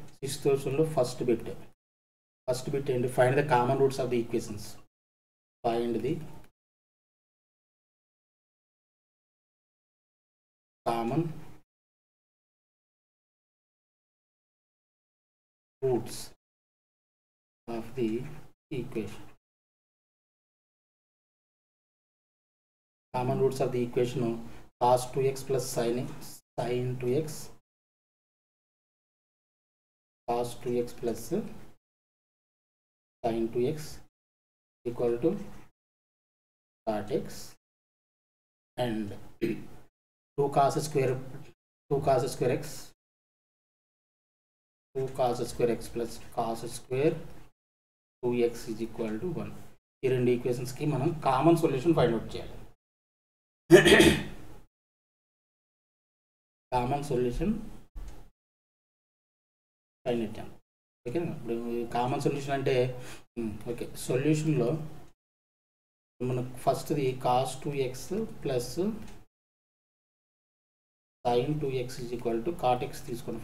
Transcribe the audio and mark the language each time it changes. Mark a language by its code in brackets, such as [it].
[en] Six క్వశ్చన్లో first bit ఏంటి, find the common roots of the equations, find the common roots of the equation. Common roots of the equation cos 2x plus sin 2x cos 2x plus sin 2x equal to cot x and 2 cos square x plus cos square 2x is equal to 1. [te] ఈ రెండు ఈక్వేషన్స్కి మనం common solution find out చేయాలి. Common solution find out చేయాలి. ఓకేనా, ఇప్పుడు common solution అంటే okay, సొల్యూషన్లో మనకు ఫస్ట్ది cos 2x plus sin 2x is equal to cot x తీసుకోండి.